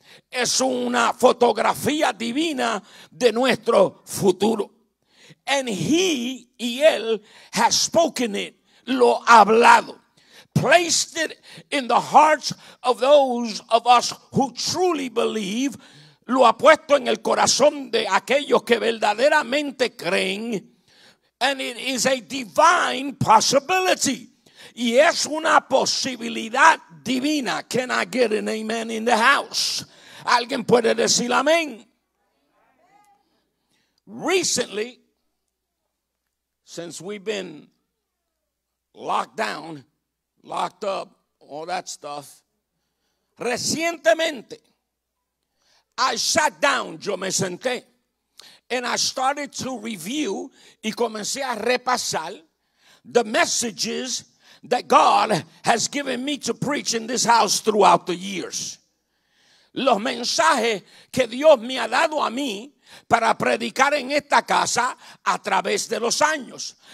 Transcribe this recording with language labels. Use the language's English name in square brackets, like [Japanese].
[Spanish] Es una fotografía divina de nuestro futuro. [English] And he, [Spanish] y él, [English] has spoken it, [Spanish] lo ha hablado. [English] Placed it in the hearts of those of us who truly believe. [Spanish] Lo ha puesto en el corazón de aquellos que verdaderamente creen. [English] And it is a divine possibility. [Spanish] Y es una posibilidad divina. [English] Can I get an amen in the house? [Spanish] ¿Alguien puede decir amén? [English] Recently, since we've been locked up, all that stuff. [Spanish] Recientemente, [English] I sat down, [Spanish] yo me senté, [English] and I started to review, [Spanish] y comencé a repasar, [English] the messages that God has given me to preach in this house throughout the years. [Spanish] Los mensajes que Dios me ha dado a mí para predicar en esta casa a través de los años.